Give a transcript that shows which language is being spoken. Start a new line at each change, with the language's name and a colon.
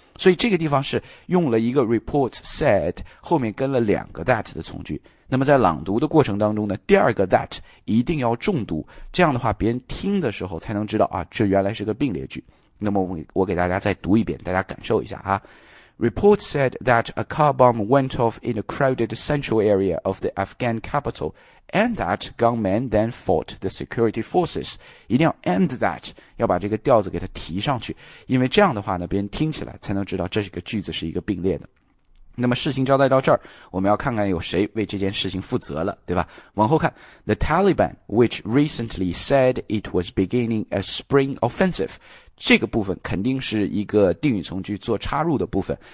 Chinese: 所以这个地方是用了一个
English: report said
Chinese: 后面跟了两个 that 的从句。那么在朗读的过程当中呢，第二个 that 一定要重读，这样的话别人听的时候才能知道啊，这原来是个并列句。那么我给大家再读一遍，大家感受一下啊。
English: Report said that a car bomb went off in a crowded central area of the Afghan capital. And that gunmen then fought the security forces.
Chinese: 一定要 and that， 要把这个调子给它提上去，因为这样的话呢，别人听起来才能知道这个句子是一个并列的。那么事情交代到这儿，我们要看看有谁为这件事情负责了，对吧？往后看 ，
English: The Taliban, which recently said it was beginning a spring offensive，
Chinese: 这个部分肯定是一个定语从句做插入的部分。